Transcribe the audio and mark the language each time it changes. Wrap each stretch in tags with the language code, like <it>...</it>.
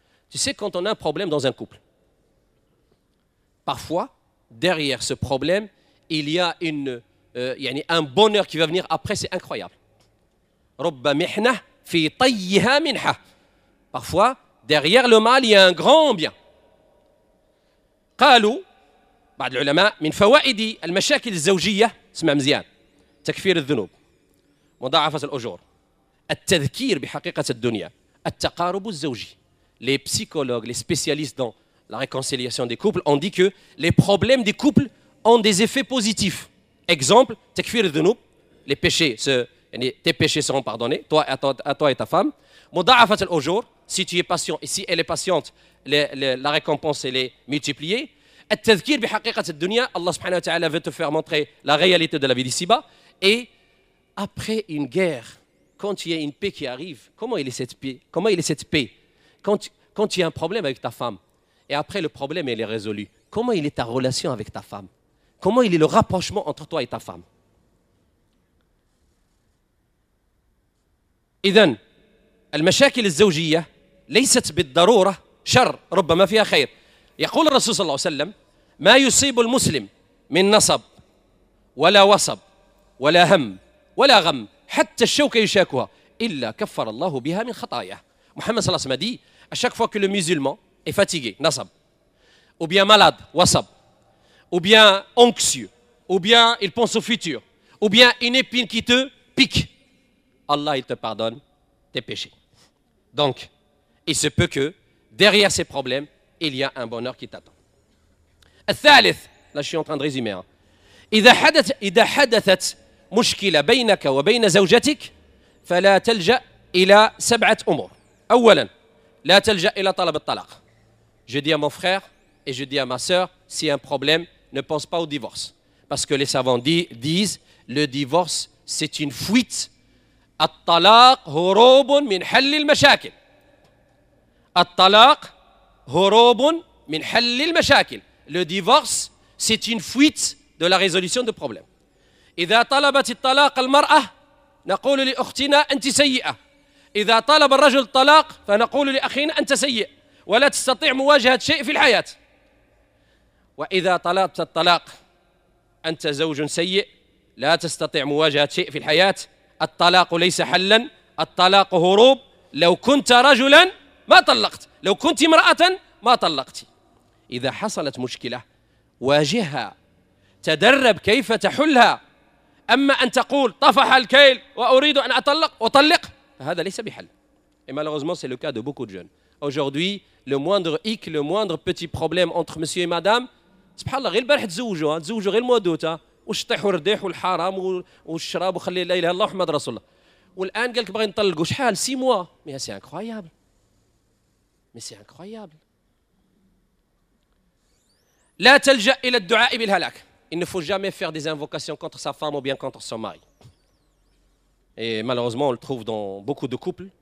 <fr>Tu sais, quand on a un problème dans un couple, parfois, derrière ce problème, il y a un bonheur qui va venir après, c'est incroyable.</fr> <ar>رُبَّ مِحْنَةٍ فِي طَيِّهَا مِنْحَةٍ.</ar> <fr>Parfois, derrière le mal, il y a un grand bien.</fr> <ar>قَالُوا بعد العلماء مِنْ فَوَائِدِ الْمَشَاكِلِ الزَّوْجِيَّةِ اسمها مزيان تكفير الذنوب مضاعفة الأجور التذكير بحقيقة الدنيا التقارب الزوجي.</ar> <fr>Les psychologues, les spécialistes dans la réconciliation des couples ont dit que les problèmes des couples ont des effets positifs. Exemple,</fr> <ar>تكفير الذنوب,</ar> <fr>les péchés, tes péchés seront pardonnés, toi, à toi et ta femme.</fr> <ar>مضاعفة الأجور,</ar> <fr>si tu es patient et si elle est patiente, la récompense elle est multipliée.</fr> <ar>التذكير بحقيقة الدنيا,</ar> <fr>Allah subhanahu wa ta'ala veut te faire montrer la réalité de la vie d'ici-bas. Et après une guerre, quand il y a une paix qui arrive, comment il est cette paix? Quand il y a un problème avec ta femme, et après le problème elle est résolu, comment il est ta relation avec ta femme? Comment il est le rapprochement entre toi et ta femme?</fr> <ar>إذن المشاكل الزوجية ليست بالضرورة شر ربما فيها خير. يقول الرسول صلى الله عليه وسلم ما يصيب المسلم من نصب ولا وصب ولا هم ولا غم حتى الشوكة يشاكها إلا كفر الله بها من خطاياه.</ar> <fr>محمد صلى الله عليه وسلم dit à chaque fois que le musulman est fatigué, nasab, ou bien malade, wasab, ou bien anxieux, ou bien il pense au futur, ou bien une épine qui te pique, Allah, il te pardonne tes péchés. Donc, il se peut que derrière ces problèmes, il y a un bonheur qui t'attend. الثالث, là je suis en train de résumer.</fr> <ar>إذا حدثت مشكلة بينك وبين زوجتك فلا تلجأ إلى سبعة أمور. أولا, لا تلجأ إلى طلب الطلاق.</ar> <fr>Je dis à mon frère et je dis à ma sœur, si un problème, ne pense pas au divorce. Parce que les savants disent, le divorce, c'est une fuite.</fr> <ar>الطلاق هروب من حل المشاكل. الطلاق هروب من حل المشاكل.</ar> <fr>Le divorce, c'est une fuite de la résolution de problèmes.</fr> <ar>إذا طلبت الطلاق المرأة نقول لأختنا أنت سيئة. إذا طلب الرجل الطلاق فنقول لأخينا أنت سيء ولا تستطيع مواجهة شيء في الحياة. وإذا طلبت الطلاق أنت زوج سيء لا تستطيع مواجهة شيء في الحياة. الطلاق ليس حلا, الطلاق هروب. لو كنت رجلا ما طلقت, لو كنت امرأة ما طلقت. إذا حصلت مشكلة واجهها, تدرب كيف تحلها. أما أن تقول طفح الكيل وأريد أن أطلق وطلق, هذا ليس بحل.</ar> <fr>Et malheureusement c'est le cas de beaucoup de jeunes. Aujourd'hui, le moindre hic, le moindre petit problème entre monsieur et madame,</fr> <ar>subhanallah, غير البارح تزوجوا, تزوجوا غير المواد دوتا واش طيحوا الرديح والحرام والشراب وخلي لا اله الا الله محمد رسول الله. والان قالك باغي نطلقوا شحال</ar> <fr>6 mois. Mais c'est incroyable.</fr> <ar>لا تلجأ الى الدعاء بالهلاك.</ar> <fr>Il ne faut jamais faire des invocations contre sa femme ou bien contre son mari. Et malheureusement, on le trouve dans beaucoup de couples.</fr>